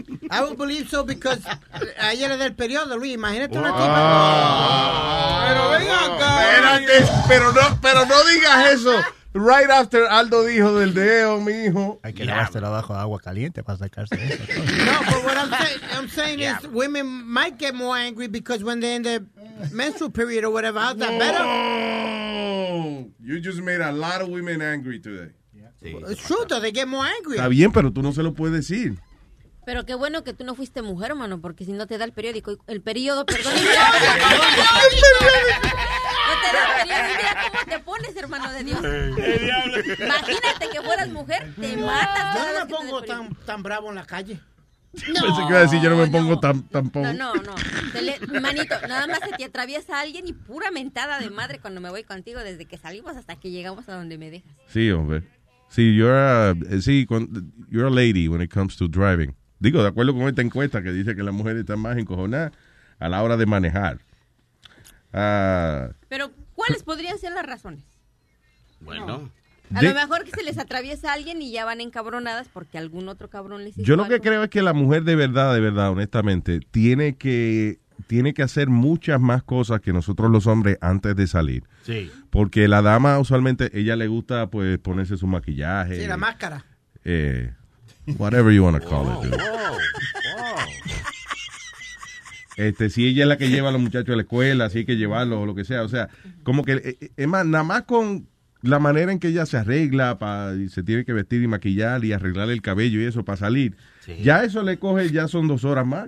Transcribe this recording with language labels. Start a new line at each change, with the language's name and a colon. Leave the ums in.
English: I, would believe so because
Spanish: ayer era del periodo, Luis. Imagínate una tipa. pero venga acá. Espérate, pero no, pero no digas eso.
English: Right after
Spanish: Aldo dijo del dedo, mi hijo. Hay que yeah, lavarse abajo de agua caliente para sacarse eso.
English: No, but what I'm, say, I'm saying yeah, is bro. women might get more angry because when they're in the menstrual period or whatever, how's no. that better? You just made a lot of women angry today. Yeah.
Spanish: Sí.
English: It's true, the that They get more angry.
Spanish: Está bien, pero tú no se lo puedes decir. Pero qué bueno que tú no fuiste mujer, hermano, porque si no te da el periódico. El periodo, perdón. ¡El periódico! De feria, mira cómo te pones, hermano de Dios. ¿Qué Imagínate que fueras mujer, te matan. Yo no me pongo tan, tan, bravo en la calle. No, no que iba a decir, yo no me pongo no, tan, tan pon. no, no, no, manito, nada más se te atraviesa alguien y pura mentada de madre cuando me voy contigo desde que salimos hasta que llegamos a donde me dejas. Sí, hombre. Sí,
English: you're a, sí, con, you're a lady when it comes to driving.
Spanish: Digo, de acuerdo con esta encuesta que dice que las mujeres están más encojonadas a la hora de manejar. Uh, Pero, ¿cuáles podrían ser las razones? Bueno. No. A de, lo mejor que se les atraviesa a alguien y ya van encabronadas porque algún otro cabrón les hizo Yo lo que algo. creo es que la mujer de verdad, de verdad, honestamente, tiene que tiene que hacer muchas más cosas que nosotros los hombres antes de salir. Sí. Porque la dama usualmente ella le gusta pues ponerse su maquillaje. Sí, la máscara.
English: Eh, whatever you want to call oh, it. Dude. Oh, oh
Spanish: este, si ella es la que lleva a los muchachos a la escuela, si hay que llevarlos o lo que sea. O sea, como que, es más, nada más con la manera en que ella se arregla pa', y se tiene que vestir y maquillar y arreglar el cabello y eso para salir. Sí. Ya eso le coge, ya son dos horas más